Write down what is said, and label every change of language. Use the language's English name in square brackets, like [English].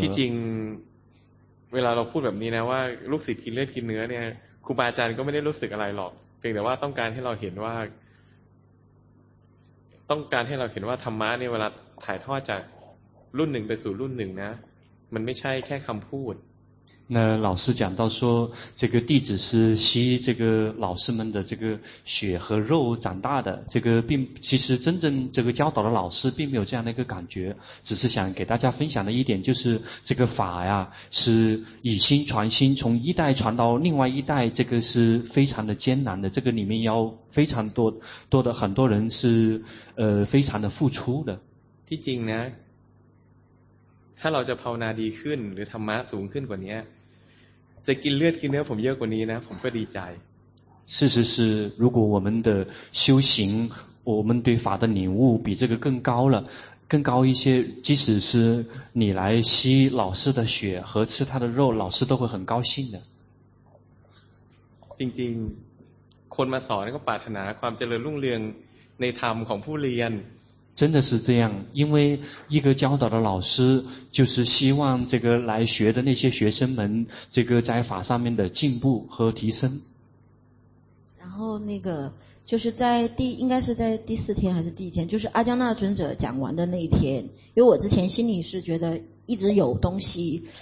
[Thai] ที่จริงเวลาเราพูดแบบนี้นะว่าลูกศิษย์กินเลือดกินเนื้อเนี่ยครูบาอาจารย์ก็ไม่ได้รู้สึกอะไรหรอกเพียงแต่ว่าต้องการให้เราเห็นว่าต้องการให้เราเห็นว่าธรรมะเนี่ยเวลาถ่ายทอดจากรุ่นหนึ่งไปสู่รุ่นหนึ่งนะมันไม่ใช่แค่คำพูด [Chinese] 那老师讲到说这个弟子是吸这个老师们的这个血和肉长大的这个并其实真正这个教导的老师并没有这样的一个感觉只是想给大家分享的一点就是这个法呀是以心传心从一代传到另外一代这个是非常的艰难的这个里面要非常多多的很多人是非常的付出的 [Thai] ที่จริงนะถ้าเราจะภาวนาดีขึ้นหรือธรรมะสูงขึ้นกว่านี้จะกินเลือดกินเนื้อผมเยอะกว่านี้นะผมก็ดีใจ [Chinese] 事实是如果我们的修行我们对法的领悟比这个更高了更高一些即使是你来吸老师的血和吃他的肉老师都会很高兴的 [Thai] จริง คนมาสอนก็ปรารถนาความเจริญรุ่งเรืองในธรรมของผู้เรียน [Chinese] 真的是这样，因为一个教导的老师就是希望这个来学的那些学生们这个在法上面的进步和提升。然后那个就是在第应该是在第四天还是第一天，就是阿姜那尊者讲完的那一天，因为我之前心里是觉得一直有东西